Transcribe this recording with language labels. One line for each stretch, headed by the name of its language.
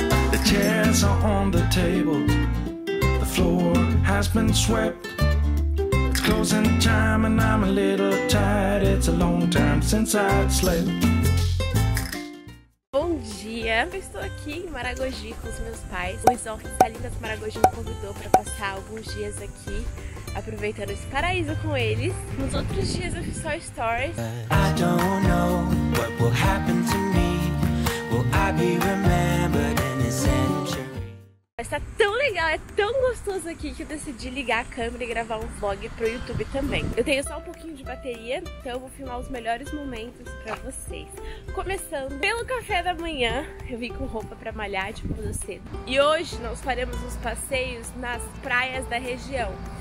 English: The chairs are on the table. The floor has been swept. Closing time and I'm a little tired. It's a long time since I've slept.
Portuguese: Bom dia! Eu estou aqui em Maragogi com os meus pais. O resort Salinas Maragogi me convidou para passar alguns dias aqui, aproveitando esse paraíso com eles. Nos outros dias eu fiz só stories.
English: I don't know what will happen to me. Will I be remembered in this century?
Portuguese: Mas tá tão legal, é tão gostoso aqui que eu decidi ligar a câmera e gravar um vlog pro YouTube também. Eu tenho só um pouquinho de bateria, então eu vou filmar os melhores momentos pra vocês. Começando pelo café da manhã, eu vim com roupa pra malhar, tipo, no cedo. E hoje nós faremos uns passeios nas praias da região.